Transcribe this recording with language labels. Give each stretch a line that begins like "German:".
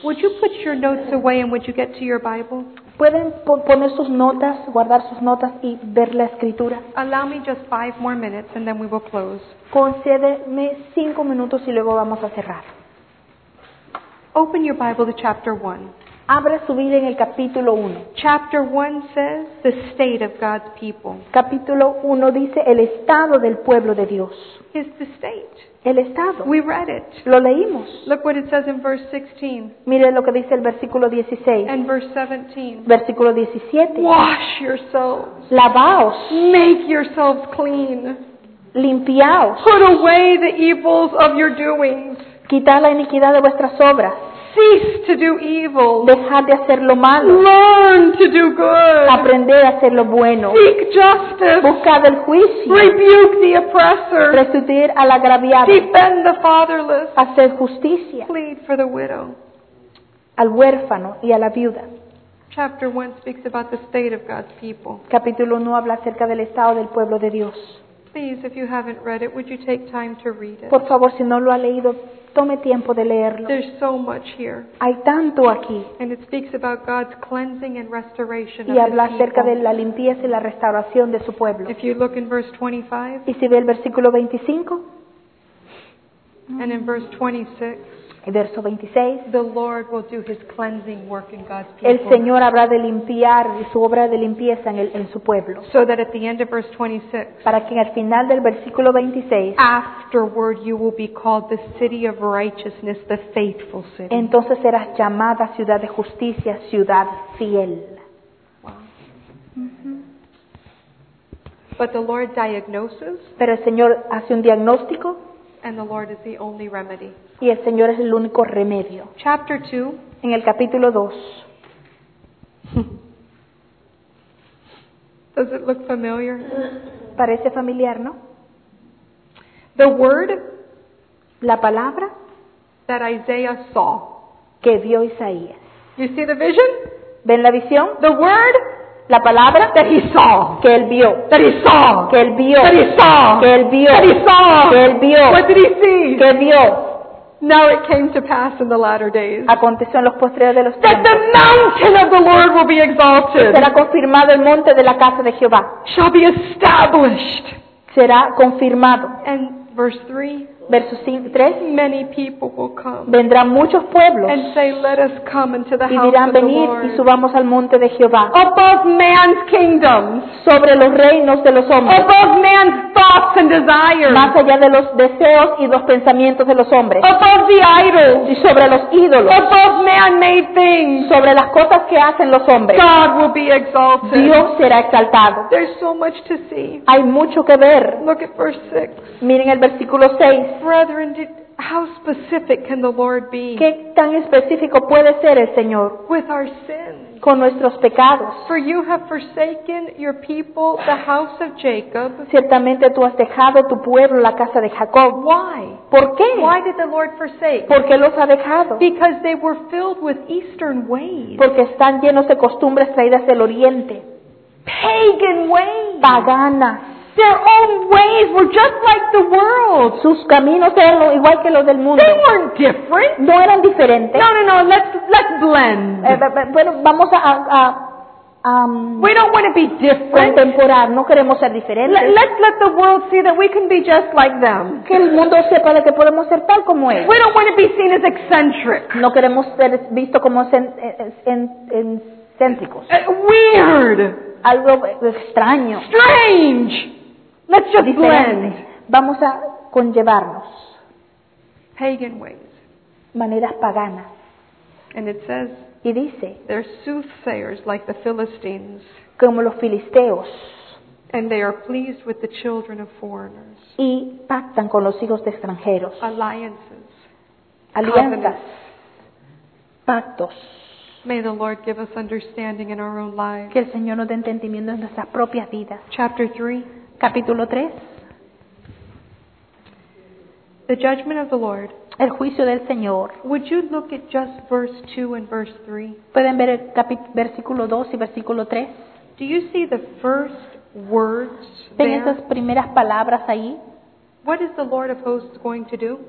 English: Would you put your notes away and would you get to your Bible?
Spanish: ¿Pueden poner sus notas, guardar sus notas y ver la escritura?
English: Allow me just 5 more minutes and then we will close.
Spanish: Concédeme 5 minutos y luego vamos a cerrar.
English: Open your Bible to chapter 1.
Spanish: Abre su Biblia en el capítulo 1.
English: Chapter 1 says the state of God's people.
Spanish: Capítulo 1 dice el estado del pueblo de Dios.
English: Is the state.
Spanish: El estado.
English: We read it.
Spanish: Lo leímos.
English: Look what it says in verse 16.
Spanish: Mire lo que dice el versículo 16.
English: And verse 17.
Spanish: Versículo 17.
English: Wash yourselves.
Spanish: Lavaos.
English: Make yourselves clean.
Spanish: Limpiaos.
English: Put away the evils of your doings.
Spanish: Quitad la iniquidad de vuestras obras.
English: Cease to do evil.
Spanish: Dejad de hacer lo malo.
English: Learn to do good.
Spanish: Aprender a hacer lo bueno.
English: Seek justice.
Spanish: Buscad el juicio.
English: Rebuke the oppressor.
Spanish: Restituir al agraviado.
English: Defend the fatherless.
Spanish: Hacer justicia.
English: Plead for the widow.
Spanish: Al huérfano y a la viuda.
English: Chapter 1 speaks about the state of God's people.
Spanish: Capítulo 1 habla acerca del estado del pueblo de Dios.
English: Please, if you haven't read it, would you take time to read it?
Spanish: Por favor, si no lo ha leído, tome tiempo de leerlo.
English: There's so much here.
Spanish: Hay tanto aquí.
English: And it speaks about God's cleansing and restoration
Spanish: y habla acerca de la limpieza y la restauración de su pueblo.
English: If you look in verse 25,
Spanish: y si ve el versículo 25,
English: and in verse 26,
Spanish: verso 26,
English: the Lord will do His cleansing work in God's people.
Spanish: El Señor habrá de limpiar y su obra de limpieza en su pueblo.
English: So that at the end of verse 26,
Spanish: para que al final del versículo 26,
English: afterward you will be called the city of righteousness, the faithful city.
Spanish: Entonces serás llamada ciudad de justicia, ciudad fiel.
English: But the Lord diagnoses.
Spanish: Pero el Señor hace un diagnóstico.
English: And the Lord is the only remedy.
Spanish: Y el Señor es el único remedio.
English: Chapter 2.
Spanish: En el capítulo 2.
English: Does it look familiar?
Spanish: Parece familiar, ¿no?
English: The word.
Spanish: La palabra.
English: That Isaiah saw.
Spanish: Que vio Isaías.
English: You see the vision?
Spanish: ¿Ven la visión?
English: The word.
Spanish: La palabra
English: that he saw,
Spanish: que él vio,
English: that he saw,
Spanish: que él vio,
English: that he saw,
Spanish: que él vio,
English: that he saw,
Spanish: que él vio.
English: What did he see?
Spanish: Que vio.
English: Now it came to pass in the latter days.
Spanish: Aconteció en los postreros de los tiempos.
English: That the mountain of the Lord will be exalted.
Spanish: Será confirmado el monte de la casa de Jehová.
English: Shall be established.
Spanish: Será confirmado.
English: And verse 3.
Spanish: Verso 3.
English: Many people will come.
Spanish: Vendrán muchos pueblos.
English: And say, let us come into the
Spanish: y dirán, venid y subamos al monte de Jehová.
English: Above man's kingdoms.
Spanish: Sobre los reinos de los hombres.
English: Above man's thoughts and desires.
Spanish: Más allá de los deseos y los pensamientos de los hombres.
English: Above the idols.
Spanish: Y sobre los ídolos.
English: Above man-made things.
Spanish: Sobre las cosas que hacen los hombres.
English: God will be exalted.
Spanish: Dios será exaltado.
English: There's so much to see.
Spanish: Hay mucho que ver.
English: Look at verse 6.
Spanish: Miren el versículo 6.
English: Brethren, how specific can the Lord be?
Spanish: ¿Qué tan específico puede ser el Señor?
English: With our sins.
Spanish: Con nuestros pecados.
English: For you have forsaken your people, the house of Jacob.
Spanish: Ciertamente tú has dejado tu pueblo, la casa de Jacob.
English: Why?
Spanish: ¿Por qué?
English: Why did the Lord forsake?
Spanish: ¿Por qué los ha dejado?
English: Because they were filled with eastern ways.
Spanish: Porque están llenos de costumbres traídas del oriente.
English: Pagan ways.
Spanish: Paganas.
English: Their own ways were just like the world.
Spanish: Sus caminos eran igual que los del mundo.
English: They weren't different.
Spanish: No eran diferentes.
English: No. Let's blend.
Spanish: Bueno, vamos a
English: we don't want to be different.
Spanish: Contemporar. No queremos ser diferentes.
English: Let's let the world see that we can be just like them.
Spanish: Que el mundo sepa que podemos ser tal como él.
English: We don't want to be seen as eccentric.
Spanish: No queremos ser visto como excéntricos.
English: Weird.
Spanish: Algo extraño.
English: Strange. Let's just blend.
Spanish: Vamos a conllevarnos.
English: Pagan ways.
Spanish: Maneras paganas.
English: And it says.
Spanish: Y dice.
English: They're soothsayers like the Philistines.
Spanish: Como los filisteos.
English: And they are pleased with the children of foreigners.
Spanish: Y pactan con los hijos de extranjeros.
English: Alliances.
Spanish: Alianzas. Pactos.
English: May the Lord give us understanding in our own lives.
Spanish: Que el Señor nos dé entendimiento en nuestras propias vidas.
English: Chapter 3.
Spanish: Capítulo 3.
English: The judgment of the Lord.
Spanish: El juicio del Señor.
English: Would you look at just verse 2 and verse 3?
Spanish: ¿Pueden ver el versículo 2 y versículo 3?
English: Do you see the first words there?
Spanish: ¿Ven esas primeras palabras ahí?
English: What is the Lord of hosts going to do?